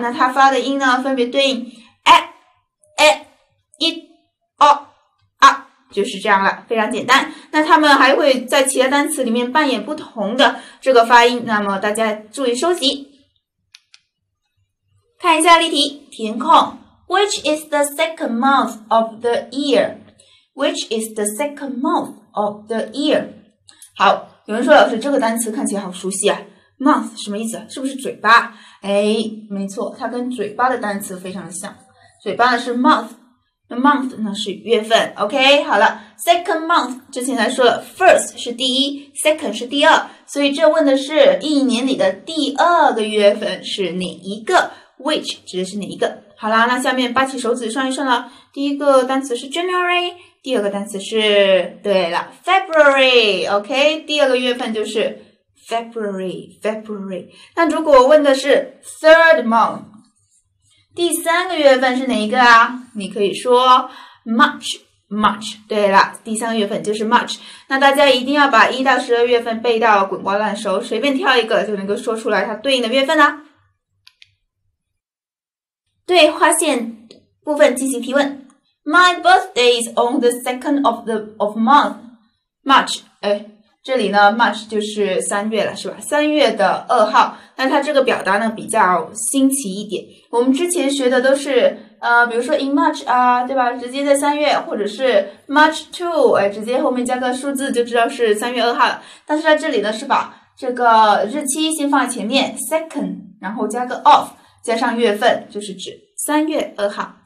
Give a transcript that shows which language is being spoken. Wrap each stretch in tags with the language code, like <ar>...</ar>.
<zh>那它发的音呢，分别对应 a, a, i, o。就是这样了，非常简单。那他们还会在其他单词里面扮演不同的这个发音，那么大家注意收集。看一下例题，填空。</zh> <en>Which is the second month of the year? Which is the second month of the year?</en> <zh>好，有人说老师，这个单词看起来好熟悉啊。 Month 什么意思？是不是嘴巴？哎，没错，它跟嘴巴的单词非常像。嘴巴呢是 mouth。Month 呢是月份 ，OK， 好了 ，</zh> <en>Second month</en> <zh>之前来说了 ，First 是第一 ，Second 是第二，所以这问的是一年里的第二个月份是哪一个 ，Which 指的是哪一个？好啦，那下面扒起手指算一算了，第一个单词是 January， 第二个单词是对了 ，February，OK，、okay? 第二个月份就是 February。那如果问的是</zh> <en>Third month。</en> <zh>第三个月份是哪一个啊？你可以说 March。对了，第三个月份就是 March。那大家一定要把一到十二月份背到滚瓜烂熟，随便挑一个就能够说出来它对应的月份啦。对划线部分进行提问。</zh> <en>My birthday is on the second of the of month March。</en> <zh>哎，这里呢 ，March 就是三月了，是吧？三月的二号。那它这个表达呢比较新奇一点。我们之前学的都是比如说</zh> <en>in March</en> <zh>啊，对吧？直接在三月，或者是 March 2， 哎，直接后面加个数字就知道是三月二号了。但是在这里呢，是把这个日期先放在前面 ，second， 然后加个 of， 加上月份，就是指三月二号。</zh>